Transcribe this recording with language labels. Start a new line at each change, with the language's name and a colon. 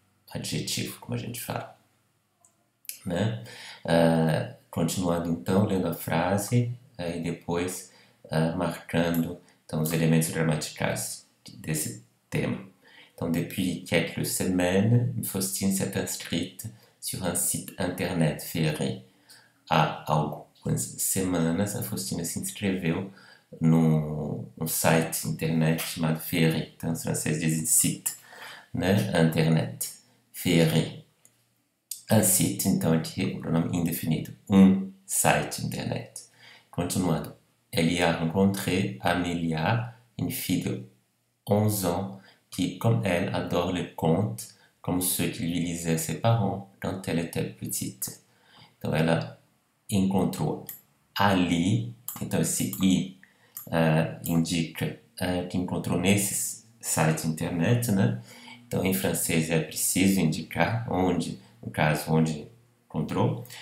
Portuguese: Adjetivo, como a gente fala, né? Continuando então, lendo a frase e depois marcando então, os elementos gramaticais desse tema.
French: Então, depuis quelques semaines, Faustine s'est inscrite sur un site internet Ferry.
Portuguese: Há algumas semanas, a Faustine se inscreveu num site internet chamado Ferry. Então, em francês dizem site. Né? Internet, Ferry, un site, então aqui o pronome indefinido, um site internet.
French: Continuando, elle y a rencontré Amélia, une fille de 11 ans, qui, comme elle, adore les contes, comme ceux que lui lisaient ses parents quand elle était petite.
Portuguese: Então ela encontrou ali, então esse i indica que encontrou nesse site internet, né? Então, em francês é preciso indicar onde, no caso, onde encontrou.